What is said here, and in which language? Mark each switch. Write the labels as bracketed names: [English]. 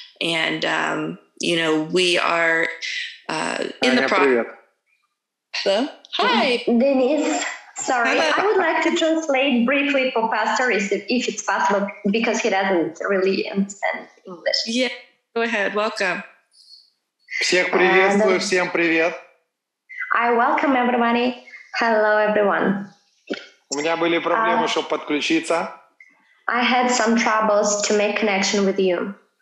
[English] And, we are in the process. Hello? Hi. Denise, sorry. Hello. I would like to translate briefly for Pastor if it's possible, because he doesn't really understand English. Yeah, go ahead. Welcome. [Russian] Всех приветствую, всем привет. [English] I welcome everybody. Hello, everyone. [Russian] У меня были проблемы, чтобы подключиться. [English] I had some troubles to make connection with you.